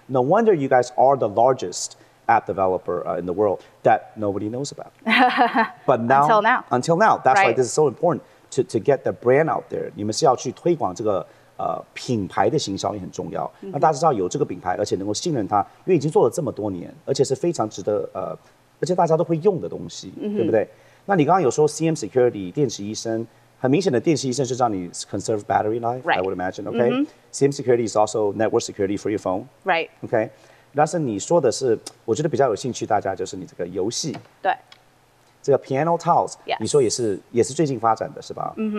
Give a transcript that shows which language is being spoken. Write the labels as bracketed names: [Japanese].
[English] No wonder you guys are the largest app developer in the world that nobody knows about. But now, until now, that's right. Why this is so important to get the brand out there. [Chinese] 你们是要去推广这个。品牌的行销也很重要，那大家知道有这个品牌而且能够信任它，因为已经做了这么多年，而且是非常值得而且大家都会用的东西，对不对？那你刚刚有说 CM Security 电池医生，很明显的电池医生是让你 [English] conserve battery life、 right. I would imagine OK、CM Security is also network security for your phone right [Chinese] OK 但是你说的是我觉得比较有兴趣大家就是你这个游戏，对，这个 Piano Tiles、 [English] yes. [Chinese] 你说也是最近发展的是吧、